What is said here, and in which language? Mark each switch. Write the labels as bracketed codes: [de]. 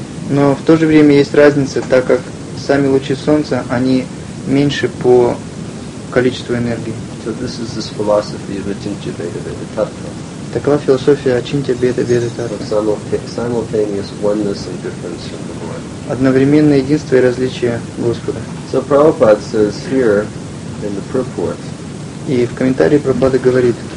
[ru] Но в то же время есть разница, так как сами лучи солнца, они меньше по количеству энергии. [en] So this is this philosophy of Acintya-Bheda-Bheda-Tattva. [ru] Такова философия Acintya-Bheda-Bheda-Tattva. [en] Simultaneous oneness and difference in the Lord. [ru] Одновременное единство и различие Господа. [en] So Prabhupada says here in the purport. [ru] И в комментарии Прабхупада говорит,